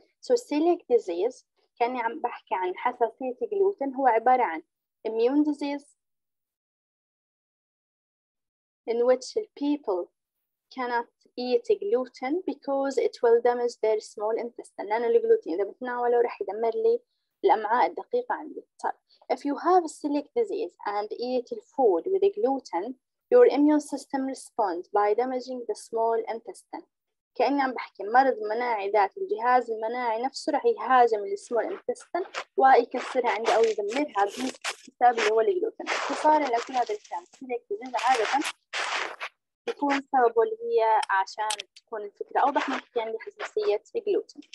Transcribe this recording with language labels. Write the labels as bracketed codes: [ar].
[en] So celiac disease [ar] كأني عم بحكي عن حساسية الجلوتين، هو عبارة عن [en] immune disease in which people cannot eat gluten because it will damage their small intestine. [ar] لأن الجلوتين إذا بتناوله رح يدمر لي الأمعاء الدقيقة عندي. طيب [en] if you have a celiac disease and eat food with gluten, your immune system responds by damaging the small intestine. [ar] كأني عم بحكي مرض مناعي ذات الجهاز المناعي نفسه رح يهاجم السمول انتستن ويكسرها عندي او يدمرها بسبب اللي هو الجلوتين. اختصارا لكل هذا الكلام، السيليك ديزيز عادة يكون سببه اللي هي عشان تكون الفكرة أوضح ممكن لحساسية الجلوتين.